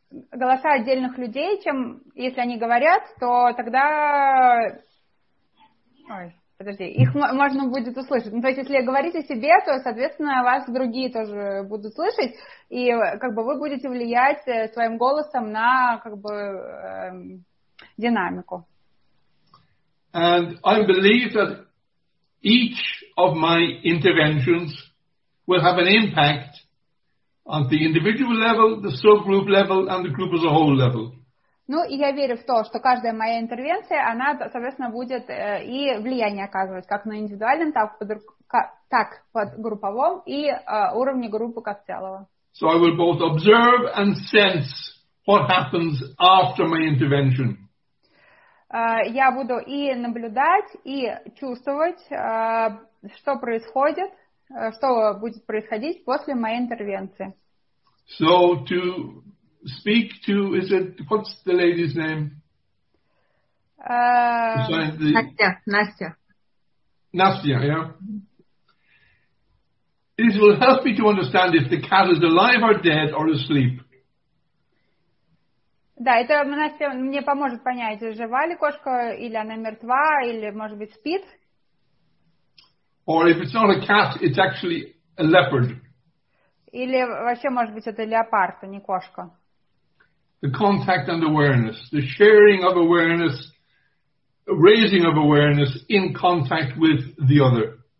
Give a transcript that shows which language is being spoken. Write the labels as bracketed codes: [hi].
[ru] Голоса отдельных людей, чем если они говорят, то тогда, их можно будет услышать. Ну, то есть, если говорить о себе, то, соответственно, вас другие тоже будут слышать, и как бы вы будете влиять своим голосом на как бы динамику. [en] And I believe that each of my interventions will have an impact. On the individual level, the subgroup level, and the group as a whole level. [ru] Ну, и я верю в то, что каждая моя интервенция, она, соответственно, будет и влияние оказывать как на индивидуальном, так под групповом и уровне группы как целого. [en] So I will both observe and sense what happens after my intervention. [ru] Я буду и наблюдать, и чувствовать, что происходит. Что будет происходить после моей интервенции? [en] So to speak to, is it, what's the lady's name? [ru] Настя. [en] Настя, yeah. This will help me to understand if the cat is alive or dead or asleep. [ru] Да, это Настя мне поможет понять, жива ли кошка, или она мертва, или, может быть, спит. [en] Or if it's not a cat, it's actually a leopard. [ru] Или вообще, может быть, это леопард, а не кошка. [en] The contact and awareness, the sharing of awareness, raising of awareness in contact with the other.